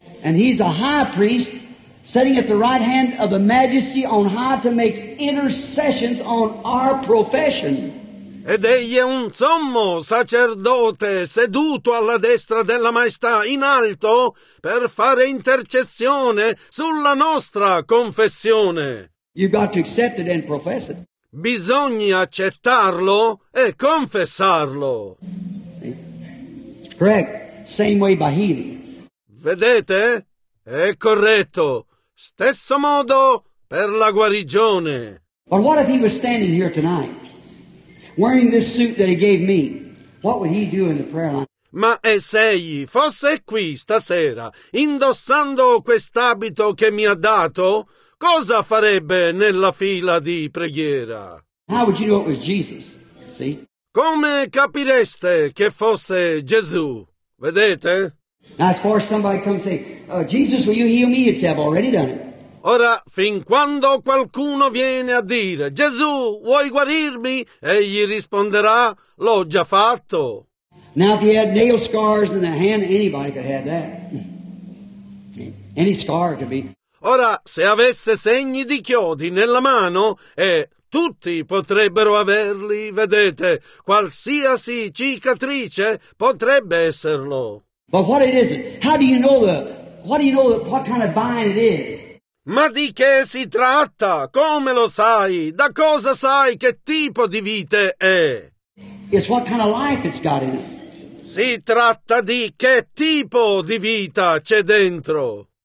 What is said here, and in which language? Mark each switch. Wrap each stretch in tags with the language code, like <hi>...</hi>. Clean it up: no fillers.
<en>And he's a high priest sitting at the right hand of the majesty on high to make intercessions on our profession.</en> <it>Ed egli è un sommo sacerdote seduto alla destra della maestà in alto per fare intercessione sulla nostra confessione.</it> <en>You've got to accept it and profess it.</en> <it>Bisogna accettarlo e confessarlo.</it> <en>Correct. Same way by healing.</en> <it>Vedete? È corretto. Stesso modo per la guarigione.</it> <en>But what if he was standing here tonight? Wearing this suit that he gave me, what would he do in the prayer line?</en> <it>Ma e se egli fosse qui stasera, indossando quest'abito che mi ha dato, cosa farebbe nella fila di preghiera?</it> <en>How would you know it was Jesus? See?</en> <it>Come capireste che fosse Gesù? Vedete?</it> <en>Now, as far as somebody comes and say, oh, Jesus, will you heal me? He'd say, I've already done it.</en> <it>Ora, fin quando qualcuno viene a dire, Gesù, vuoi guarirmi? Egli risponderà, l'ho già fatto.</it> <en>Now, if he had nail scars in the hand, anybody could have that. Any scar could be.</en> <it>Ora, se avesse segni di chiodi nella mano, tutti potrebbero averli, vedete, qualsiasi cicatrice potrebbe esserlo.</it> <en>But what it is, how do you know what kind of vine it is?</en> <it>Ma di che si tratta? Come lo sai? Da cosa sai che tipo di vite è?</it> <en>It's what kind of life it's got in it.</en> <it>Si tratta di che tipo di vita c'è dentro.</it>